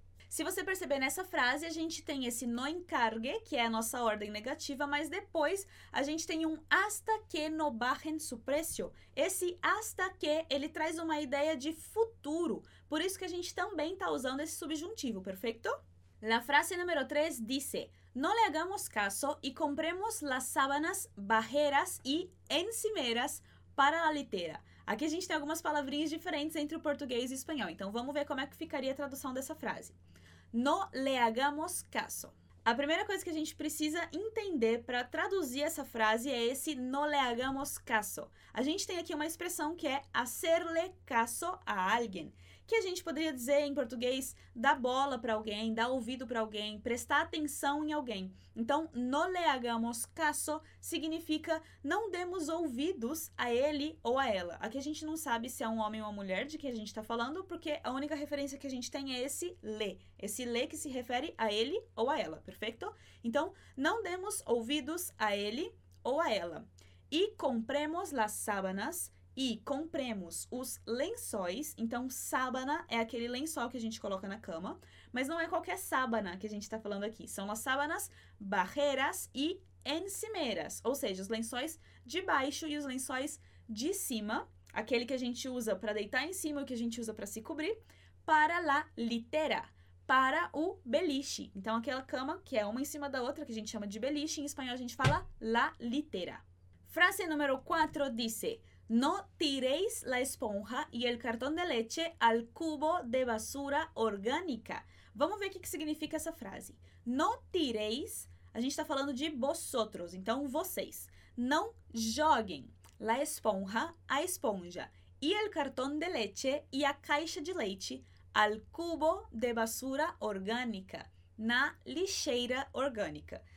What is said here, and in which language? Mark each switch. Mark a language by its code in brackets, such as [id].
[pt] Se você perceber nessa frase, a gente tem esse no encargue, que é a nossa ordem negativa, mas depois a gente tem um [es] hasta que no bajen su precio. [pt] Esse hasta que, ele traz uma ideia de futuro. Por isso que a gente também está usando esse subjuntivo, perfeito? [es] La frase número 3 dice, no le hagamos caso y compremos las sábanas bajeras y encimeras para la litera. [pt] Aqui a gente tem algumas palavrinhas diferentes entre o português e o espanhol. Então, vamos ver como é que ficaria a tradução dessa frase. [es] No le hagamos caso. [pt] A primeira coisa que a gente precisa entender para traduzir essa frase é esse no le hagamos caso. A gente tem aqui uma expressão que é hacerle caso a alguien. Que a gente poderia dizer em português, dar bola para alguém, dar ouvido para alguém, prestar atenção em alguém. Então, [es] no le hagamos caso [pt] significa não demos ouvidos a ele ou a ela. Aqui a gente não sabe se é um homem ou uma mulher de quem a gente está falando, porque a única referência que a gente tem é esse le. Esse le que se refere a ele ou a ela, perfeito? Então, não demos ouvidos a ele ou a ela. [es] E compremos las sábanas. [pt] E compremos os lençóis, então sábana é aquele lençol que a gente coloca na cama, mas não é qualquer sábana que a gente está falando aqui, são as sábanas barreiras e encimeras, ou seja, os lençóis de baixo e os lençóis de cima, aquele que a gente usa para deitar em cima e que a gente usa para se cobrir, [es] para la litera, [pt] para o beliche. Então, aquela cama que é uma em cima da outra, que a gente chama de beliche, em espanhol a gente fala la litera. [es] Frase número 4 dice, no tireis la esponja y el cartón de leche al cubo de basura orgánica. [pt] Vamos ver o que significa essa frase. [es] No tireis, [pt] a gente está falando de vosotros, então vocês. Não joguem [es] la esponja, [pt] a esponja, [es] y el cartón de leche [pt] e a caixa de leite [es] al cubo de basura orgánica, [pt] na lixeira orgânica.